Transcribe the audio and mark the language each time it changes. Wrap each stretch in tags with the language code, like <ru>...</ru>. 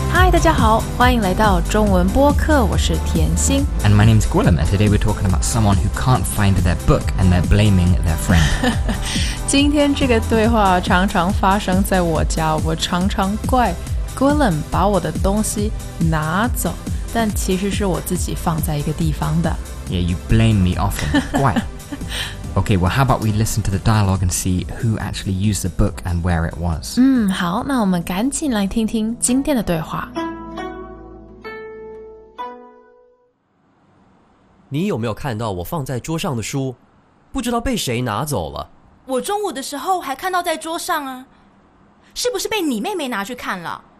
<zh>大家好，欢迎来到中文播客，我是甜心。</zh> <en>And my name is Gwilym, and today we're talking about someone who can't find their book and they're blaming their friend.</en> <zh>今天这个对话常常发生在我家，我常常怪 Gwilym 把我的东西拿走，但其实是我自己放在一个地方的。</zh> <en>Yeah, you blame me often. Why? Okay, well, how about we listen to the dialogue and see who actually used the book and where it was?</en> <zh>好，那我们赶紧来听听今天的对话。你有没有看到我放在桌上的书？不知道被谁拿走了。我中午的时候还看到在桌上啊，是不是被你妹妹拿去看了？</zh>